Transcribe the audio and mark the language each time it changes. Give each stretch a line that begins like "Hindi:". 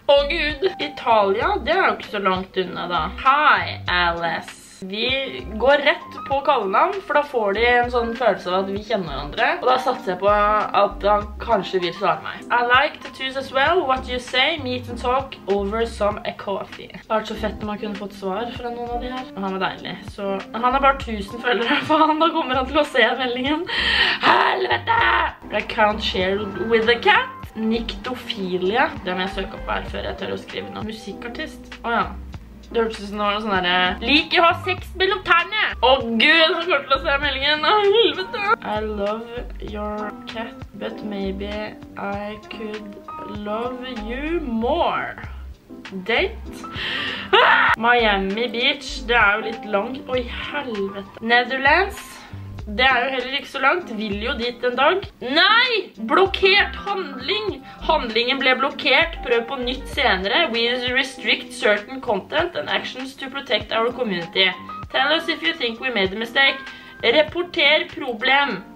Norwegian: Åh gud, Italia, det er jo ikke så langt unna da. Hi, Alice. Vi går rett på kallenavn, for da får de en sånn følelse av at vi kjenner hverandre. Og da satser jeg på at han kanskje vil svare meg.
English: I like tattoos as well, what you say, meet and talk over some coffee.
Norwegian: Det var så fett om han kunne fått svar fra noen av de her. Han var deilig, så han er bare 1000 følgere, faen, da kommer han til å se meldingen. Helvete!
English: I can't share with a cat. Niktofilia.
Norwegian: Det må jeg søke opp her før jeg tør å skrive noe. Musikkartist? Åja. Det hørte ut som det var noe sånn der... Like å ha sex mellom tærne! Å gud, han kommer til å se meldingen. Å helvete!
English: I love your cat, but maybe I could love you more.
Norwegian: Date? Miami Beach. Det er jo litt langt. Å helvete. Netherlands? Det er jo heller ikke så langt. Vil jo dit en dag. Nei! Blokkert handling! Handlingen ble blokkert. Prøv på nytt senere.
English: We restrict certain content and actions to protect our community. Tell us if you think we made a mistake. Reporter problem.